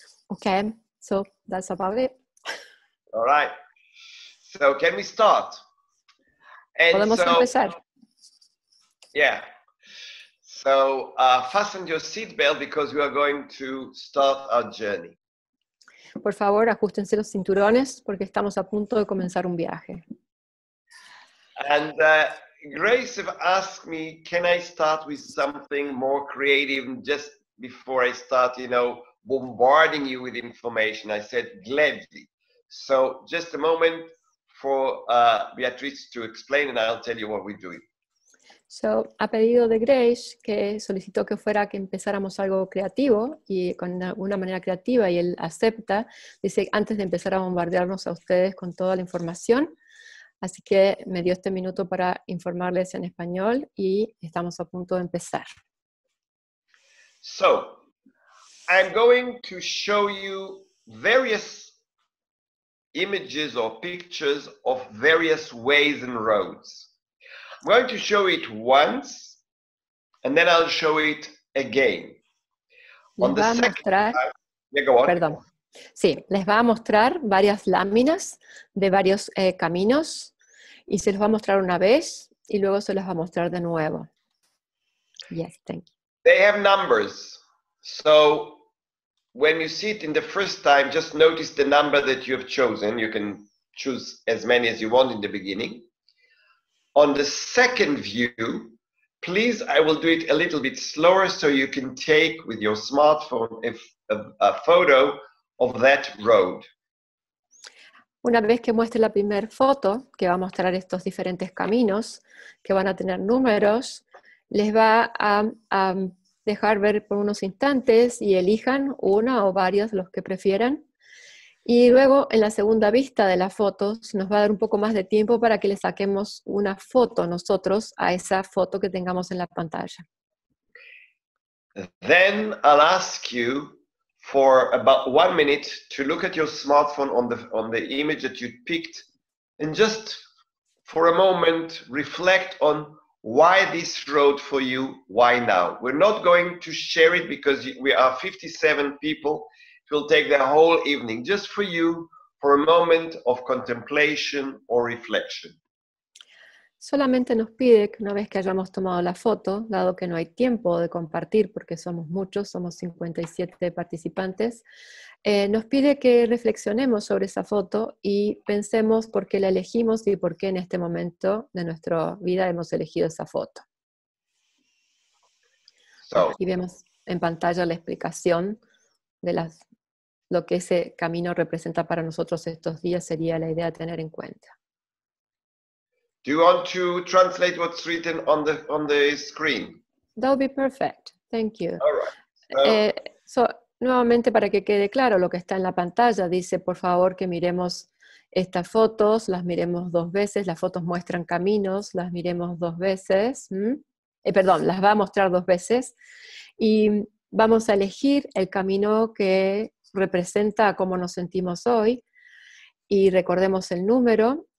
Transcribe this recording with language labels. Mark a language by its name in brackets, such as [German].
[English] Okay, so that's about it. All right, so can we start? And so, yeah, so fasten your seatbelt because we are going to start our journey. [Spanish] Por favor, ajustense los cinturones porque estamos a punto de comenzar un viaje. [English] And Grace have asked me, can I start with something more creative just before I start, you know, bombarding you with information? I said, gladly. So just a moment for Beatrice to explain, and I'll tell you what we're doing. [Spanish] So, a pedido de Grace, que solicitó que fuera que empezáramos algo creativo, y con una manera creativa, y él acepta, dice, antes de empezar a bombardearnos a ustedes con toda la información, así que me dio este minuto para informarles en español, y estamos a punto de empezar. [English] So, I'm going to show you various images or pictures of various ways and roads. I'm going to show it once, and then I'll show it again. On the second time, yeah, go on. [Spanish] Perdón. Sí, les va a mostrar varias láminas de varios caminos, y se los va a mostrar una vez, y luego se los va a mostrar de nuevo. [English] Yes, thank you. They have numbers, so when you see it in the first time, just notice the number that you have chosen. You can choose as many as you want in the beginning. On the second view, please, I will do it a little bit slower so you can take with your smartphone a photo of that road. [Spanish] Una vez que muestre la primera foto, que va a mostrar estos diferentes caminos, que van a tener números, les va a dejar ver por unos instantes y elijan una o varios, los que prefieran. Y luego, en la segunda vista de las fotos, nos va a dar un poco más de tiempo para que le saquemos una foto nosotros a esa foto que tengamos en la pantalla. [English] Then I'll ask you for about 1 minute to look at your smartphone on the image that you picked, and just for a moment reflect on why this road for you? Why now? We're not going to share it because we are 57 people. It will take the whole evening just for you, for a moment of contemplation or reflection. [Spanish] Solamente nos pide que una vez que hayamos tomado la foto, dado que no hay tiempo de compartir porque somos muchos, somos 57 participantes, nos pide que reflexionemos sobre esa foto y pensemos por qué la elegimos y por qué en este momento de nuestra vida hemos elegido esa foto. So, aquí vemos en pantalla la explicación de las, lo que ese camino representa para nosotros estos días, sería la idea de tener en cuenta. [English] Do you want to translate what's written on the screen? That would be perfect. Thank you. All right. [Spanish] So, nuevamente para que quede claro lo que está en la pantalla, dice por favor que miremos estas fotos, las miremos dos veces, las fotos muestran caminos, las miremos dos veces, perdón, las va a mostrar dos veces, y vamos a elegir el camino que representa cómo nos sentimos hoy, y recordemos el número.